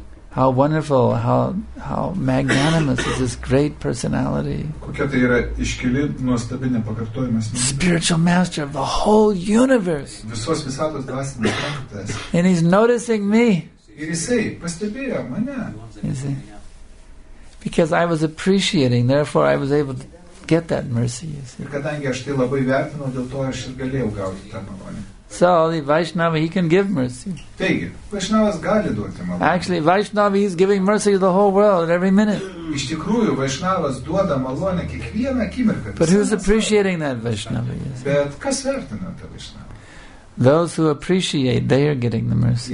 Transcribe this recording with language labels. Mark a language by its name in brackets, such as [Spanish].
[English] How wonderful, how magnanimous is this great personality. [Lithuanian] Kokia tai yra iškili, nuostabi, nepakartojama asmenybė. [English] Spiritual master of the whole universe. [Lithuanian] Visos visatos dvasinis mokytojas. [English] And he's noticing me. [Lithuanian] Ir jisai pastebėjo mane. [English] You see? Because I was appreciating, therefore I was able to get that mercy. You see? [Lithuanian] Kadangi aš tai labai vertinau, dėl to aš ir galėjau gauti tą malonę. [English] So, the Vaishnava, he can give mercy. [Lithuanian] Taigi, Vaishnavas gali duoti malonę. [English] Actually, Vaishnava, he's giving mercy to the whole world at every minute. [Lithuanian] Iš tikrųjų, Vaishnavas duoda malonę kiekvieną akimirką. [English] But who's appreciating that Vaishnava? [Lithuanian] Bet kas vertina tą Vaishnava? [English] Those who appreciate, they are getting the mercy.